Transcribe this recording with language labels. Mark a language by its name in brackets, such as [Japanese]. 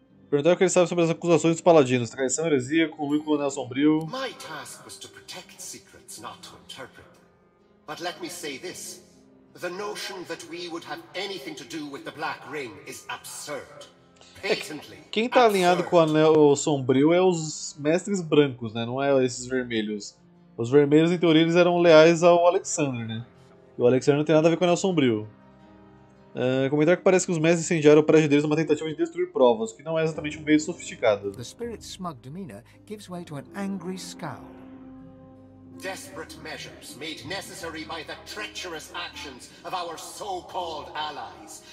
[Portuguese] Perguntar o que ele sabe sobre as acusações dos paladinos. Traição, heresia, comum e coronel sombrio. [English] My task was to protect secrets, not to interpret. But let me say this. The notion that we would have anything to do with the Black Ring is absurd. Patently. [Portuguese] Quem tá alinhado com o anel sombrio é os mestres brancos, né? Não é esses vermelhos. Os vermelhos, em teoria, eles eram leais ao Alexander, né? E o Alexander não tem nada a ver com o anel sombrio. Comentário que parece que os mestres incendiaram o prédio deles numa tentativa de destruir provas, que não é exatamente um meio sofisticado. [English] The spirit's smug demeanor gives way to an angry scowl. Desperate measures made necessary by the treacherous actions of our so-called allies.